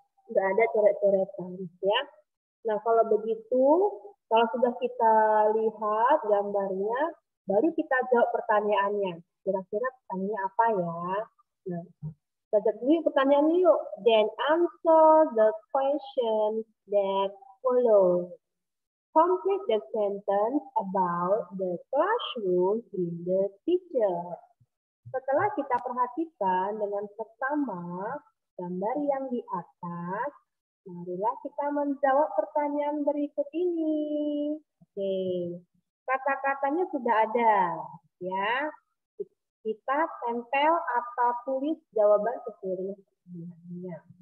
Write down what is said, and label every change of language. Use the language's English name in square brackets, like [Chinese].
[Indonesian] Nggak ada coret-coretan, ya. Nah, kalau begitu, kalau sudah kita lihat gambarnya, baru kita jawab pertanyaannya. Kira-kira pertanyaannya apa, ya? Nah, kita jawab dulu pertanyaannya yuk. [English] Then answer the question that follows. Complete the sentence about the classroom in the picture. [Indonesian] Setelah kita perhatikan dengan pertama gambar yang di atas, marilah kita menjawab pertanyaan berikut ini. Oke, kata-katanya sudah ada, ya. Kita tempel atau tulis jawaban sesuai pertanyaannya.